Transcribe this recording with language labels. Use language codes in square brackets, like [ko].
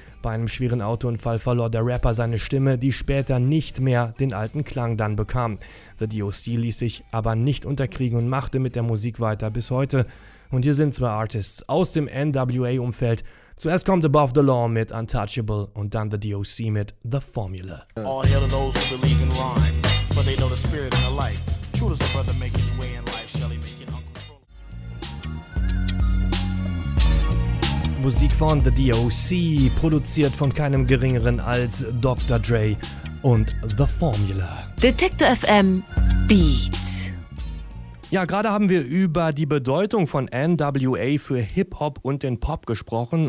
[de] Bei einem schweren Autounfall verlor der Rapper seine Stimme, die später nicht mehr den alten Klang dann bekam. The DOC ließ sich aber nicht unterkriegen und machte mit der Musik weiter bis heute. Und hier sind zwei Artists aus dem NWA-Umfeld. Zuerst kommt Above the Law mit Untouchable und dann The DOC mit The Formula. [en] All hail to those who believe in rhyme, for they know the spirit and the light. True does a brother make his way in life, shall he make it uncontrollable. [de] Musik von The DOC, produziert von keinem geringeren als Dr. Dre und The Formula. Detektor FM Beat. Ja, gerade haben wir über die Bedeutung von NWA für Hip-Hop und den Pop gesprochen.